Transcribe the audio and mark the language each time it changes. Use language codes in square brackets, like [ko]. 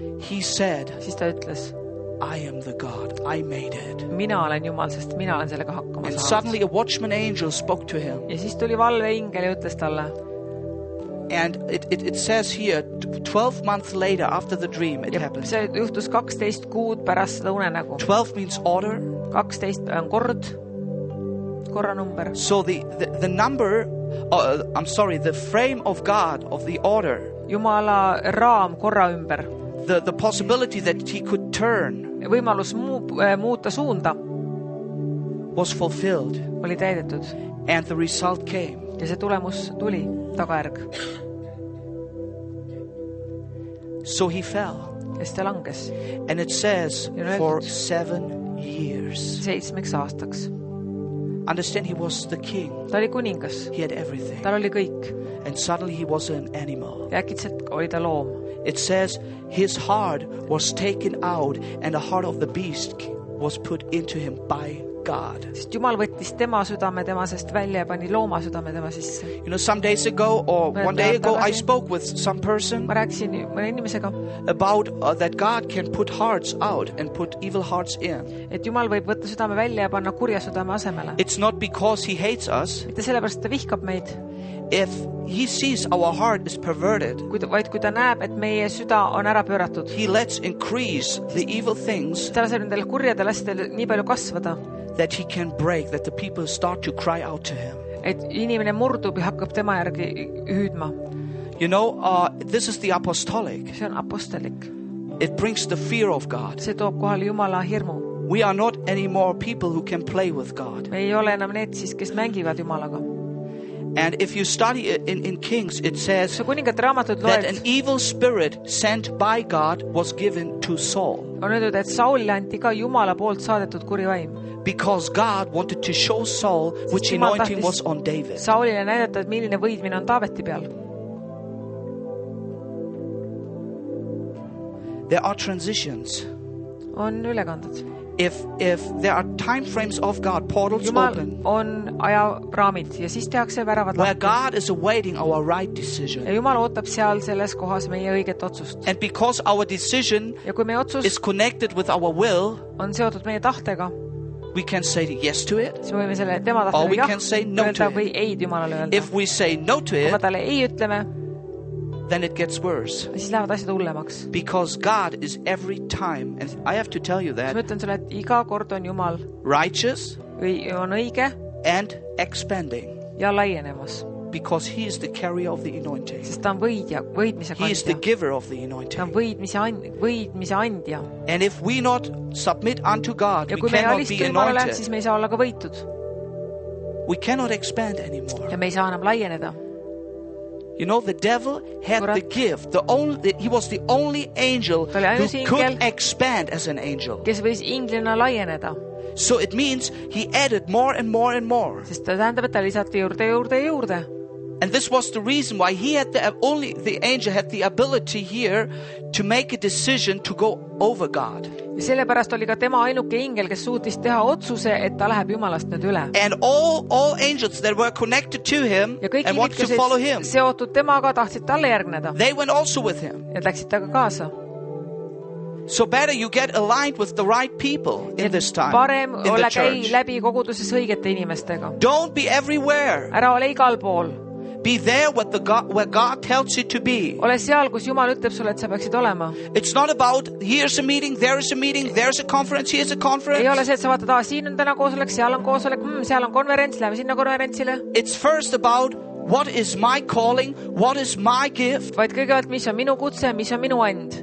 [en] He said, [et] siis ta ütles, [en] I am the God, I made it. [et] Mina olen Jumal, sest mina olen sellega hakkama saanud. [en] And suddenly a watchman angel spoke to him. [et] Ja siis tuli valveingel ja ütles talle. [en] And it says here, 12 months later after the dream it happened. [et] See juhtus 12 kuud pärast seda unenägu. [en] 12 means order. [et] 12 on kord. Korranumber. [en] So the number, I'm sorry, the frame of God, of the order. [et] Jumala raam korra ümber. [en] The possibility that he could turn. [et] Võimalus muuta suunda. [en] Was fulfilled. [et] Oli täidetud. [en] And the result came. [et] Ja see tulemus tuli tagajärg. [en] So he fell. [et] Ja see langes. [en] And it says for 7 years. [et] 7 aastaks. [en] Understand, he was the king. [et] Ta oli kuningas. [en] He had everything. [et] Tal oli kõik. [en] And suddenly he was an animal. [et] Ja äkitselt oli ta loom. [en] It says his heart was taken out and the heart of the beast was put into him by God. [et] Sest Jumal võttis tema südame tema sest välja ja pani looma südame tema sisse. [en] You know, some days ago or one day ago I spoke with some person about that God can put hearts out and put evil hearts in. [et] Et Jumal võib võtta südame välja ja panna kurja südame asemele. [en] It's not because he hates us. [et] Mitte sellepärast, et ta vihkab meid. [en] If he sees our heart is perverted, [et] vaid kui ta näeb, et meie süda on ära pööratud, [en] he lets increase the evil things [et] ta laseb nendel kurjadel asjadel nii palju kasvada, [en] that he can break, that the people start to cry out to him. [et] Et inimene murdub ja hakkab tema järgi hüüdma. [en] You know, this is the apostolic. [et] See on apostolik. [en] It brings the fear of God. [et] See toob kohal Jumala hirmu. [en] We are not anymore people who can play with God. [et] Me ei ole enam need siis, kes mängivad Jumalaga. [en] And if you study in Kings, it says that an evil spirit sent by God was given to Saul. [et] On öeldud, et Saul anti ka Jumala poolt saadetud kurivaim. [en] Because God wanted to show Saul which anointing was on David. [et] Saulile näidata, et milline võidmine on Taaveti peal. [en] There are transitions. [et] On ülekanded. [en] If there are time frames of God, portals [et] Jumal [en] open. [et] On aja raamid ja siis tehakse väravad lahti. [en] Where God is awaiting our right decision. [et] Ja Jumal ootab seal selles kohas meie õiget otsust. [en] And because our decision [et] ja kui meie otsus [en] is connected with our will, [et] on seotud meie tahtega. [en] We can say yes to it. [et] Siis võime selle tema tahtele jah. [en] Or we can say no to it. [et] Või ei Jumalale öelda. [en] If we say no to it, [et] kui me talle ei ütleme, [en] then it gets worse. [et] Ja siis lähevad asjad hullemaks. [en] Because God is every time, and I have to tell you that. [et] Ma ütlen sulle, et iga kord on Jumal [en] righteous, [et] või on õige, [en] and expanding. [et] Ja laienemas. [en] Because he is the carrier of the anointing. [et] Sest ta on võidja, võidmise kandja. [en] He is the giver of the anointing. [et] Ta on võidmise andja. [en] And if we not submit unto God, [et] ja [en] we cannot be anointed. [et] Ja kui me ei alistu Jumalale, siis me ei saa olla ka võitud. [en] We cannot expand anymore. [et] Ja me ei saa enam laieneda. [en] You know, the devil had the gift. He was the only angel who could expand as an angel. [et] Kes võis inglina laieneda. [en] So it means he added more and more and more. [et] Sest ta tähendab, et ta lisati juurde, juurde, juurde. [en] And this was the reason why he had the angel had the ability here to make a decision to go over God. [et] Ja sellepärast oli ka tema ainuke ingel, kes suutis teha otsuse, et ta läheb Jumalast nüüd üle. [en] And all angels that were connected to him and wanted to follow him. [et] Seotud temaga tahtsid talle järgneda. [en] They went also with him. [et] Ja läksid taga kaasa. [en] So better you get aligned with the right people in this time. [et] Parem ole käi läbi koguduses õigete inimestega. [en] Don't be everywhere. [et] Ära ole igal pool. [en] Be there where God tells you to be. [et] Ole seal, kus Jumal ütleb sulle, et sa peaksid olema. [en] It's not about here's a meeting, there is a meeting, there's a conference, here's a conference. [et] Ei ole see, et sa vaatad, siin on täna koosolek, seal on koosolek, seal on konverents, lähme sinna konverentsile. [en] It's first about what is my calling, what is my gift. [et] Vaid kõigevalt, mis on minu kutse, mis on minu end.